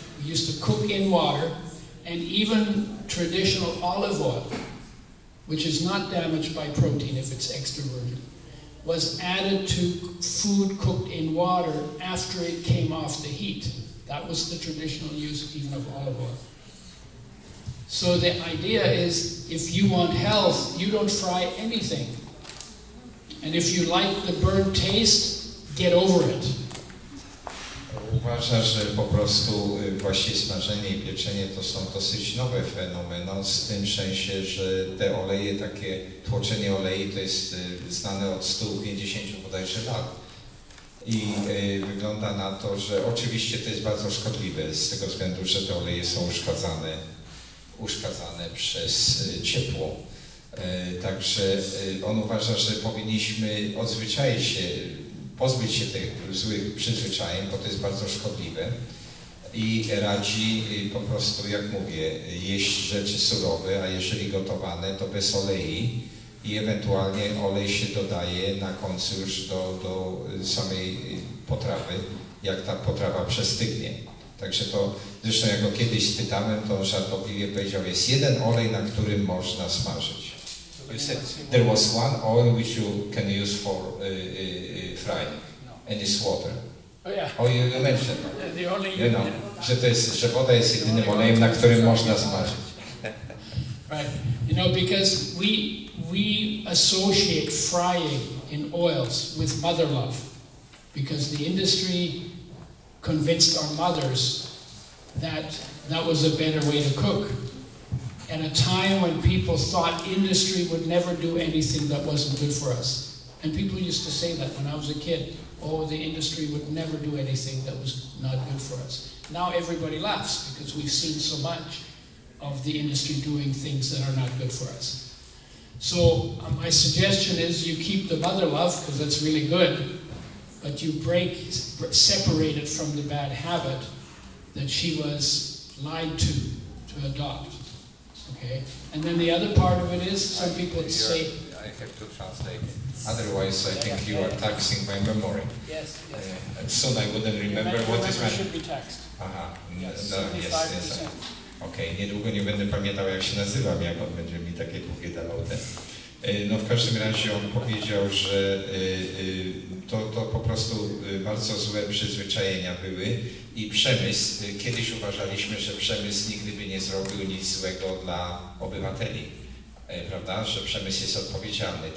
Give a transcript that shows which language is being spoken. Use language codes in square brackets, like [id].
[en] We used to cook in water, and even traditional olive oil, which is not damaged by protein if it's extra virgin, was added to food cooked in water after it came off the heat. That was the traditional use even of olive oil. So the idea is, if you want health, you don't fry anything. And if you like the burnt taste, get over it. Oh, [pl] uważa, że po prostu właśnie smażenie i pieczenie to są dosyć nowe fenomeny, z tym sensie, że te oleje, takie tłoczenie olei, to jest znane od 150 bodajże lat. I wygląda na to, że oczywiście to jest bardzo szkodliwe z tego względu, że te oleje są uszkadzane przez ciepło. Także on uważa, że powinniśmy odzwyczaić się, pozbyć się tych złych przyzwyczajeń, bo to jest bardzo szkodliwe. I radzi po prostu, jak mówię, jeść rzeczy surowe, a jeżeli gotowane, to bez olei. I ewentualnie olej się dodaje na końcu już do samej potrawy, jak ta potrawa przestygnie. Także to, zresztą jak go kiedyś spytałem, to on żartobliwie powiedział, jest jeden olej, na którym można smażyć. [en] There was one oil which you can use for frying, and it's water. Oh yeah. Oh, you mentioned that. The only, you know, the, [pl] że woda jest jedynym olejem, na którym można smażyć. [en] Right. You know, because we associate frying in oils with mother love, because the industry convinced our mothers that that was a better way to cook. At a time when people thought industry would never do anything that wasn't good for us. And people used to say that when I was a kid, oh, the industry would never do anything that was not good for us. Now everybody laughs because we've seen so much of the industry doing things that are not good for us. So my suggestion is you keep the mother love because that's really good, but you break, separate it from the bad habit that she was lied to adopt. Okay. And then the other part of it is some people say. I have to translate. Otherwise, I think you are taxing my memory. Yes. Soon I wouldn't remember what is meant. Should be taxed. Aha. Yes. No, yes. Okay. [pl] Niedługo nie będę pamiętał, jak się nazywam, jak on będzie mi takie długie dawał te. No w każdym razie on powiedział, że to po prostu bardzo złe przyzwyczajenia były i przemysł, kiedyś uważaliśmy, że przemysł nigdy by nie zrobił nic złego dla obywateli, prawda, że przemysł jest odpowiedzialny.